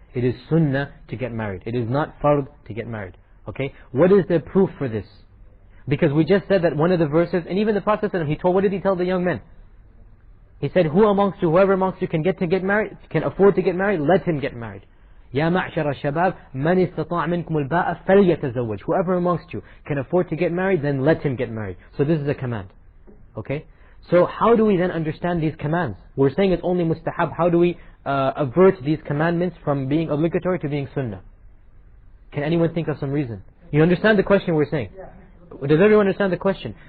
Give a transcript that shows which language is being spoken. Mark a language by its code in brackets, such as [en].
[en] It is sunnah to get married. It is not fard to get married. Okay, what is the proof for this? Because we just said that one of the verses, and even the Prophet ﷺ, what did he tell the young men? He said, whoever amongst you can afford to get married, let him get married. [ar] يا معشر الشباب من استطاع منكم الباءة فليتزوج. [en] Whoever amongst you can afford to get married, then let him get married. So this is a command. Okay? So how do we then understand these commands? We're saying it's only mustahab. How do we avert these commandments from being obligatory to being sunnah? Can anyone think of some reason? You understand the question we're saying? Does everyone understand the question?